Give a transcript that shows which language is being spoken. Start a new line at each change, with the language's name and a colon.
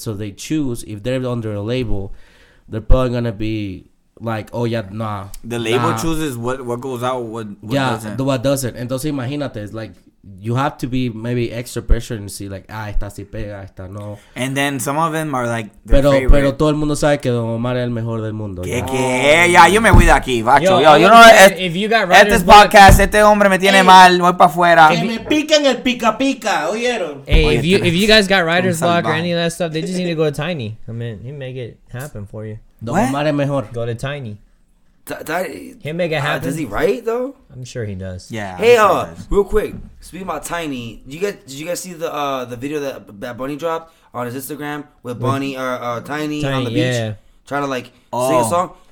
English: So they choose, if they're under a label, they're probably going to be like, oh yeah, nah. The label chooses what goes out, what doesn't. What doesn't.
Spanish: Entonces, imagínate,
English: it's like, you have to be maybe extra pressure and see, like,
Spanish: esta si pega, esta no.
English: And then some of them are like,
Spanish: pero todo el mundo sabe que Don Omar es el mejor del mundo. Yo me voy de aquí, bacho. Este podcast, este hombre me tiene mal, voy para afuera. Que me piquen el pica pica, oyeron.
English: Hey, if you guys got writer's block or any of that stuff, they just need to go to Tiny. I mean, he make it happen for you.
Spanish: Don Omar es mejor.
English: Go to Tiny. Can make it happen. Does he write though? I'm sure he does. Yeah. Hey, real quick. Speaking about Tiny, did you guys see the video that Bad Bunny dropped on his Instagram with Bunny or Tiny on the beach trying to sing a song?